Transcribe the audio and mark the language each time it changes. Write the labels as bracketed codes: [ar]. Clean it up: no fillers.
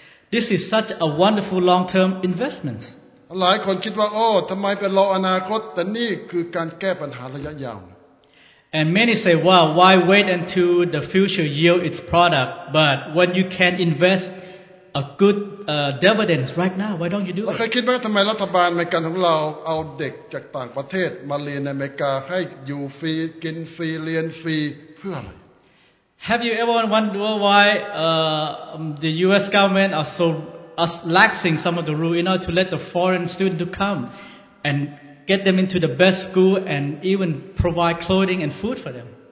[en] This is such a wonderful long-term investment. And many say, well, why wait until the future yield its product? But when you can invest a good dividends right now, why don't you do it? [th] เราคิดว่าทำไมรัฐบาลอเมริกันของเราเอาเด็กจากต่างประเทศมาเรียนในอเมริกาให้อยู่ฟรีกินฟรีเรียนฟรีเพื่ออะไร [en] Have you ever wondered why the U.S. government are laxing some of the rules in order to let the foreign student to come and get them into the best school and even provide clothing and food for them.